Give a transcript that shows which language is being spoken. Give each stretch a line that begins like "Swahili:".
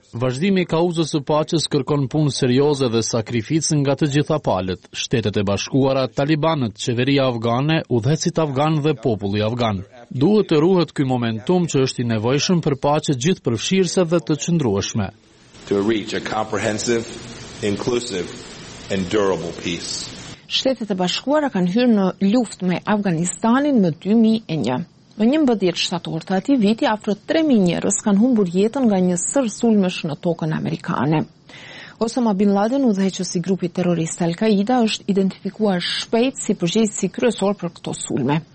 Albanian: Vazhdimi i kauzës së paqes kërkon punë serioze dhe sakrificë nga të gjitha palët: Shtetet e Bashkuara, talibanët, qeveria afgane, udhëhecit afgan dhe populli afgan. Duhet të ruhet ky momentum që është i nevojshëm për paqe gjithëpërfshirëse dhe të qëndrueshme.
English: To reach a comprehensive, inclusive and durable peace.
Albanian: Shtetet e Bashkuara kanë hyrë në luftë me Afganistanin më 2001. Në 11 shtator të atij viti, afro 3000 njerëz kanë humbur jetën nga një sër sulmesh në tokën amerikane. Osama Bin Laden, udhëheqës i grupit terrorist Al-Qaida, është identifikuar shpejt si përgjegjësi kryesor për këto sulme.